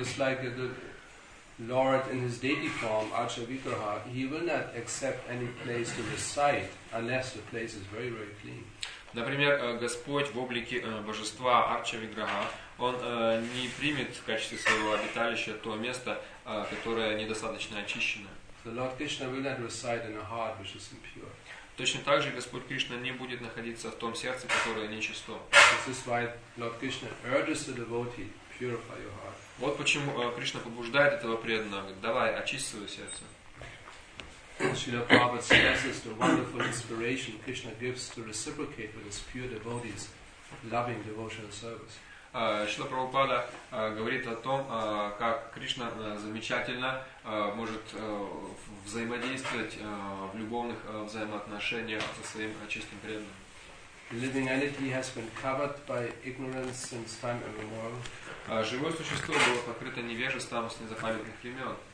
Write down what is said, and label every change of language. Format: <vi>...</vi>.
<en>Just like the Lord in his deity form, Archavikraha, he will not accept any place to recite unless the place is very, very clean.</en> <ru>Например, Господь в облике божества Арчавиграха, он не примет в качестве своего обиталища то место, которое недостаточно очищено.</ru> <en>The Lord Krishna will not reside in a heart which is impure.</en> <ru>Точно так же Господь Кришна не будет находиться в том сердце, которое нечисто.</ru> <en>This is why Lord Krishna urges the devotee, purify your heart.</en> <ru>Вот почему Кришна побуждает этого преданного, говорит, давай, очисти свое сердце.</ru> <en>Srila Prabhupada stresses the wonderful inspiration Krishna gives to reciprocate with his pure devotees, loving devotional service.</en> <ru>Srila Prabhupada говорит о том, как Кришна замечательно может взаимодействовать в любовных взаимоотношениях со своим чистым преданным.</ru> <en>The living entity has been covered by ignorance since time immemorial.</en> <ru>Живое существо было покрыто невежеством с незапамятных времен.</ru>